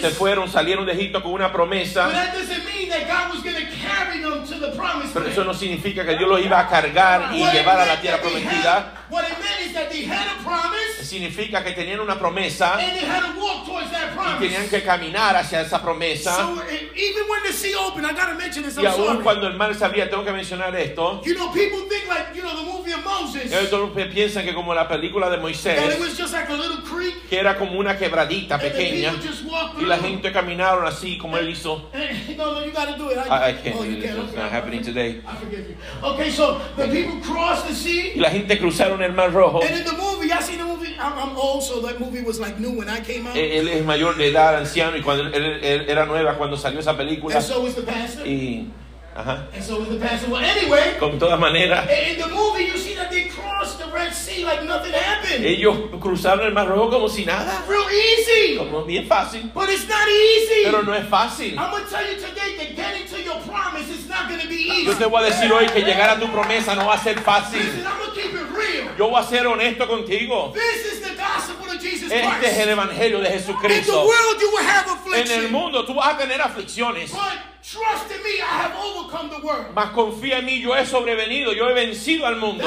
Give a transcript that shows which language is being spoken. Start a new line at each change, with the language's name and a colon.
Spanish: Se fueron, salieron de Egipto con una promesa.
English: But that doesn't mean that God was going to carry them to the promised land.
Spanish: Pero eso no significa que Dios lo iba a cargar y llevar a la tierra prometida.
English: What it meant is that they had a promise.
Spanish: Significa que tenían una promesa.
English: And they had to walk towards that promise.
Spanish: Y tenían que caminar hacia esa promesa.
English: So even when the sea opened, I got to mention this.
Spanish: Y aún cuando el mar se abría, tengo que mencionar esto.
English: You know, people think like, you know, the movie Moses.
Spanish: Piensan que como la película de Moisés,
English: that it was just like a little creek,
Spanish: que era como una quebradita pequeña,
English: and the people just walked
Spanish: y la gente caminaron así como él hizo.
English: I can't do this, it's not happening today. I forgive you. Okay, so the people crossed the sea.
Spanish: Y la gente cruzaron el Mar Rojo.
English: And in the movie, y'all seen the movie? I'm old, so that movie was like new when I came out.
Spanish: Él es mayor de edad, anciano, y cuando él era nueva cuando salió esa película.
English: And so was the pastor.
Spanish: Y,
English: And so with the pastor. Well, anyway.
Spanish: Con todas maneras.
English: In the movie, you see that they crossed the Red Sea like nothing happened.
Spanish: Ellos cruzaron el Mar Rojo como si nada.
English: Real easy.
Spanish: Como bien fácil.
English: But it's not easy.
Spanish: Pero no es fácil.
English: I'm gonna tell you today that getting to your promise is not gonna be easy.
Spanish: Yo te voy a decir hoy que llegar a tu promesa no va a ser fácil.
English: Listen, I'm gonna keep it real.
Spanish: Yo voy a ser honesto contigo.
English: This is the gospel.
Spanish: Este es el evangelio de Jesucristo.
English: In the world you will have affliction.
Spanish: En el mundo tú vas a tener aflicciones.
English: But trust in me, I have overcome the world.
Spanish: Mas confía en mí, yo he sobrevenido, yo he vencido al mundo.